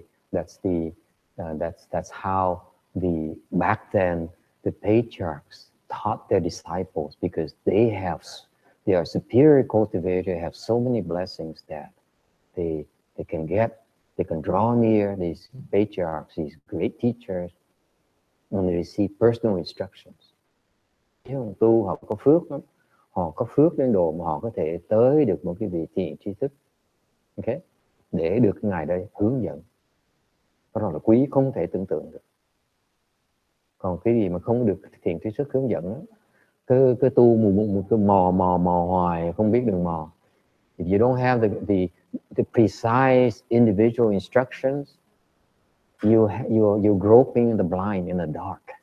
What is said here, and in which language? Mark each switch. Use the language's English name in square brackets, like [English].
[English] That's how the back then the patriarchs taught their disciples, because they are superior cultivators, have so many blessings that they can draw near these patriarchs, these great teachers, and they receive personal instructions. [Vietnamese] Tu họ có phước lắm. Họ có phước đến độ mà họ có thể tới được một cái vị thiền tri thức. Okay? Để được ngài đây hướng dẫn. Đó là quý không thể tưởng tượng được. Còn cái gì mà không được thiền tri thức hướng dẫn, cứ tu mù mò hoài, không biết đường mò. [English] If you don't have the precise individual instructions, you're groping in the blind, in the dark.